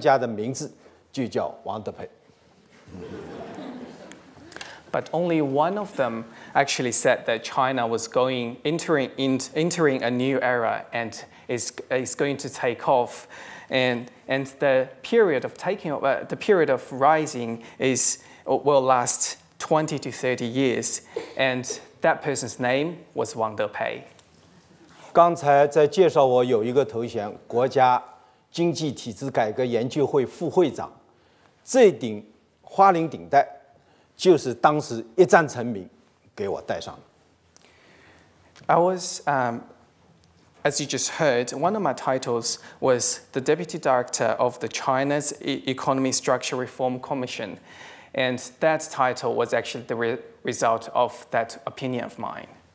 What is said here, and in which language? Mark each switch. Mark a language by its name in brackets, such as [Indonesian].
[Chinese] 但是第50位专家，他的观点是：中国进入新世纪，中国将进入起飞期，时间长达23年。这位专家的名字就叫王 Depei。 [English] But only one of them actually said that China was entering a new era and is going to take off. And the period of rising will last 20 to 30 years. And that person's name was Wang Depei. [Chinese] 刚才在介绍我有一个头衔，国家经济体制改革研究会副会长，这顶花翎顶戴。 [English] I was, as you just heard, one of my titles was the Deputy Director of the China's Economy Structure Reform Commission. And that title was actually the result of that opinion of mine.